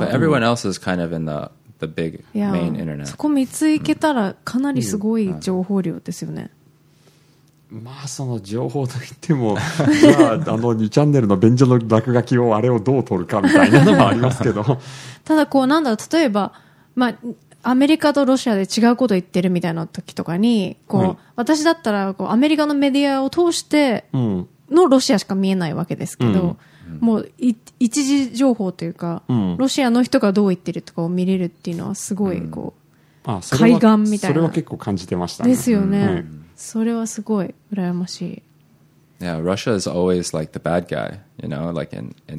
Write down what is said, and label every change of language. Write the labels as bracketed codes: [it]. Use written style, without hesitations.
[en] Yeah, but everyone else is kind of in the big main internet. [ja] そこ3つ行けたらかなりすごい情報量ですよね。まあその情報といってもじゃああの2チャンネルの便所の落書きをあれをどう取るかみたいなのもありますけど。ただこうなんだろう例えばまあ。アメリカとロシアで違うこと言ってるみたいな時とかにこう、はい、私だったらこうアメリカのメディアを通してのロシアしか見えないわけですけど、うん、もう一時情報というか、うん、ロシアの人がどう言ってるとかを見れるっていうのはすごいこう、うん、あ海岸みたいな。それは結構感じてましたね。ですよね、うん、それはすごい羨ましい。 [en] Yeah, Russia is always like the bad guy, you know, like in